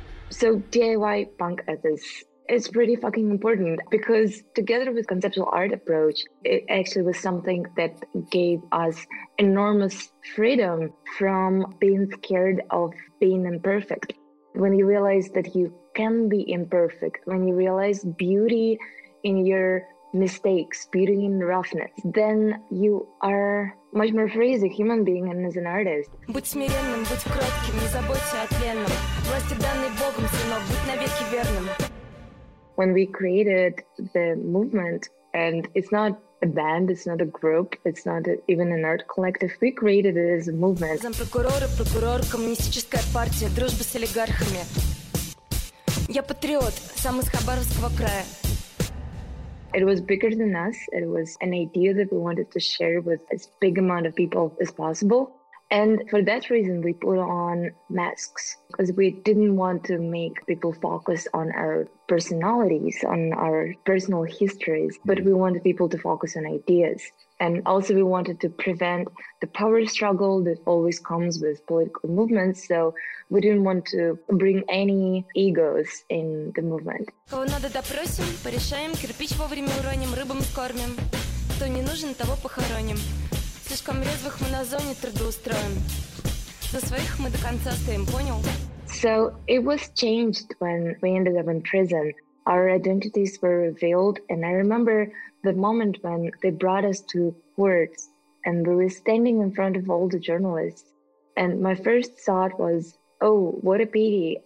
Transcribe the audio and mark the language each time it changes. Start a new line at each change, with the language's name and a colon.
English: So DIY punk ethics is pretty fucking important, because together with conceptual art approach, it actually was something that gave us enormous freedom from being scared of being imperfect. When you realize that you can be imperfect, when you realize beauty in your mistakes, beauty in roughness, then you are much more free as a human being and as an artist.
Russian: Будь смиренным, будь кротким, не забудься о тленном. Власти данной Богом, сынов, будь навеки верным.
English: When we created the movement, and it's not a band, it's not a group, it's not even an art collective, we created it as a movement.
Russian: Зампрокурор, прокурор, коммунистическая партия, дружба с олигархами. Я патриот, сам из Хабаровского края.
English: It was bigger than us. It was an idea that we wanted to share with as big amount of people as possible. And for that reason, we put on masks, because we didn't want to make people focus on our personalities, on our personal histories, but we wanted people to focus on ideas. And also we wanted to prevent the power struggle that always comes with political movements. So we didn't want to bring any egos in the movement.
Russian: Кого надо допросим, порешаем, кирпич вовремя уроним, рыбам кормим. Кто не нужен, того похороним. Слишком резвых мы на зоне трудоустроим. За своих мы до конца стоим, понял?
English: So it was changed when we ended up in prison. Our identities were revealed, and I remember the moment when they brought us to court and we were standing in front of all the journalists. And my first thought was, oh, what a pity.